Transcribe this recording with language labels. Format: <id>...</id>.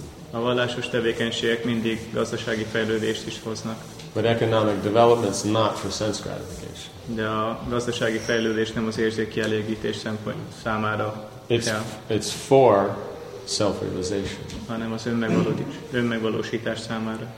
<hu>A vallásos tevékenységek mindig gazdasági fejlődést is hoznak.</hu> <en>But economic development is not for sense gratification.</en> <hu>De a gazdasági fejlődés nem az érzékkielégítés szempont számára.</hu> <en>It's for self-realization.</en> <hu>Hanem az önmegvalósítás számára.</hu>